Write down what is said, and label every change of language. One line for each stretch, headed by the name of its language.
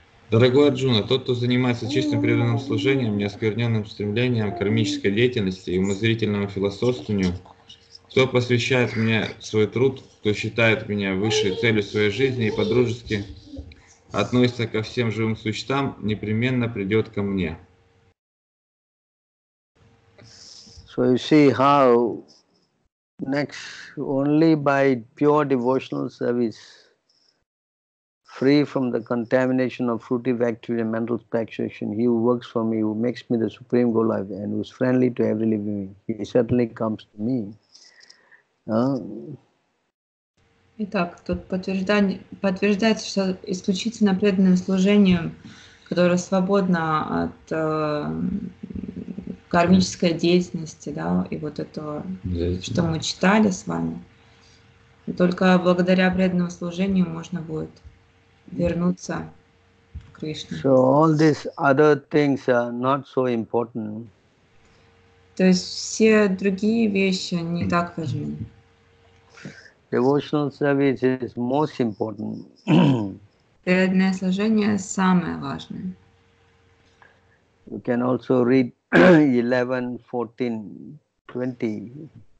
Russian: Дорогой Арджуна, тот, кто занимается чистым преданным служением, неоскверненным стремлением к кармической деятельности и умозрительному философствованию, кто посвящает мне свой труд, кто считает меня высшей целью своей жизни и по-дружески относится ко всем живым существам, непременно придет ко мне.
English: So you see how next only by pure devotional service, free from the contamination of fruitive activity and mental speculation, he who works for me, who makes me the supreme goal of, and who is friendly to every living being, he certainly comes to me.
Russian: Итак, тут подтверждается, что исключительно преданным служением, которое свободно от кармической деятельности, да, и вот этого, что мы читали с вами, только благодаря преданному служению можно будет вернуться к Кришне.
English: So all these other things are not so important.
Russian: То есть все другие вещи не так важны.
English: Devotional service is most important.
Russian: Преданное служение самое важное.
English: You can also read 11:14-20.